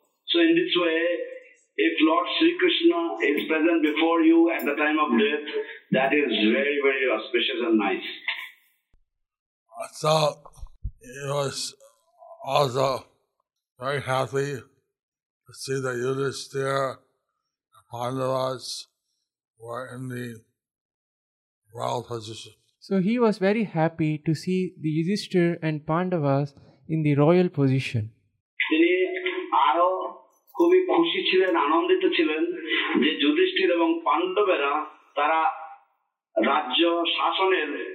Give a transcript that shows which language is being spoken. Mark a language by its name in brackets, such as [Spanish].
[English] So in this way if lord Shri Krishna is present before you at the time of death that is very very auspicious and nice. So he was also very happy to see that Yudhishthira and Pandavas were in the royal position. So he was very happy to see the Yudhishthira and Pandavas in the royal position. [Bangla] তিনি আরো খুবই খুশি ছিলেন, আনন্দিত ছিলেন যে যুধিষ্ঠির এবং পাণ্ডবেরা তারা রাজ্য শাসনের